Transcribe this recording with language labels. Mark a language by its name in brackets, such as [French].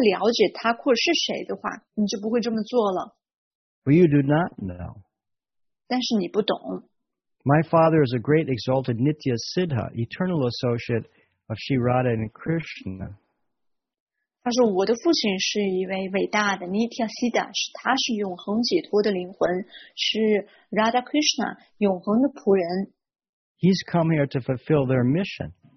[Chinese] 如果你真的了解Thakur是谁的话, 你就不会这么做了。 [English] But you do not know. [Chinese] 但是你不懂。 [English] My father is a great exalted Nitya Siddha, eternal associate of Sri Radha and Krishna. [Chinese] 他说我的父亲是一位伟大的Nitya Siddha, 他是永恒解脱的灵魂, 是Radha Krishna永恒的仆人。 [English] He's come here to fulfill their mission.